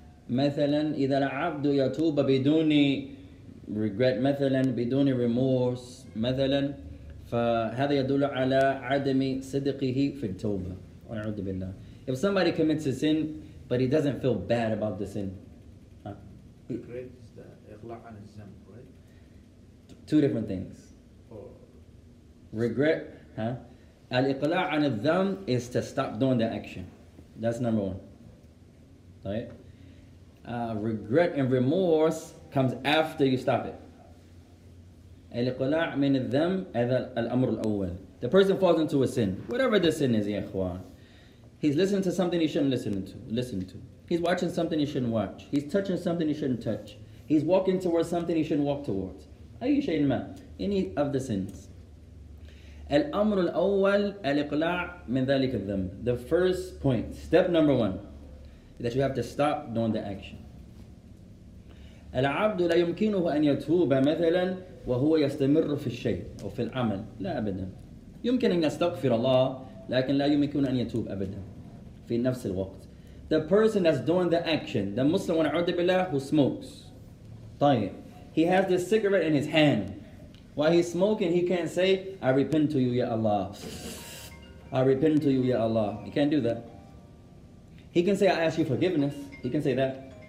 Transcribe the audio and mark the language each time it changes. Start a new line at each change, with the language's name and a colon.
Arabic: مثلاً إذا العبد يتوب بدون regret مثلاً بدون remorse مثلاً فهذا يدل على عدم صدقه في التوبة ونعوذ بالله.
English: If somebody commits a sin but he doesn't feel bad about the sin, regret is the
Arabic: إغلاق عن الذنب,
English: right? Two different things. Or regret, huh?
Arabic: الإغلاق عن الذنب
English: is to stop doing the action. That's number one. Right? Regret and remorse comes after you stop it.
Arabic: الإقلاع من الذنب هذا الأمر الأول.
English: The person falls into a sin, whatever the sin is,
Arabic: يا إخوان.
English: He's listening to something he shouldn't listen to. He's watching something he shouldn't watch. He's touching something he shouldn't touch. He's walking towards something he shouldn't walk towards.
Arabic: أي شيء ما.
English: Any of the sins.
Arabic: الأمر الأول الإقلاع من ذلك الذنب.
English: The first point, step number one, that you have to stop doing the action.
Arabic: العبد لا يمكنه أن يتوب مثلا وهو يستمر في الشيء أو في العمل. لا أبدا. يمكن أن يستغفر الله لكن لا يمكن أن يتوب أبدا في نفس الوقت.
English: The person that's doing the action, the Muslim one,
Arabic: عبد بالله,
English: who smokes.
Arabic: طيب.
English: He has this cigarette in his hand. While he's smoking, he can't say, I repent to you, Ya Allah. I repent to you, Ya Allah. He can't do that. He can say, I ask you forgiveness. He can say that.